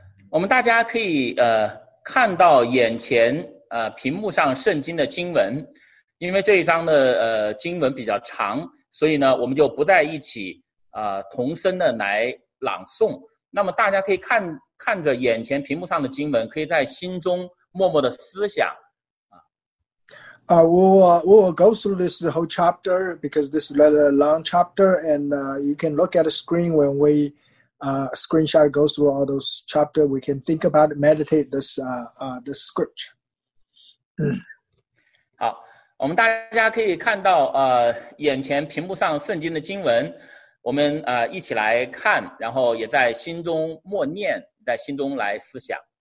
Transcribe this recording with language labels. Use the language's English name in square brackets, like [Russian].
[Chinese] 我们大家可以看到眼前屏幕上圣经的经文，因为这一章的经文比较长，所以呢，我们就不再一起同声的来朗诵。那么大家可以看着眼前屏幕上的经文，可以在心中默默的思想。 [English] We'll go through this whole chapter because this is a rather long chapter, and you can look at the screen when we screenshot goes through all those chapters. We can think about it, meditate this this scripture. [Chinese] 好，我们大家可以看到眼前屏幕上圣经的经文，我们一起来看，然后也在心中默念，在心中来思想。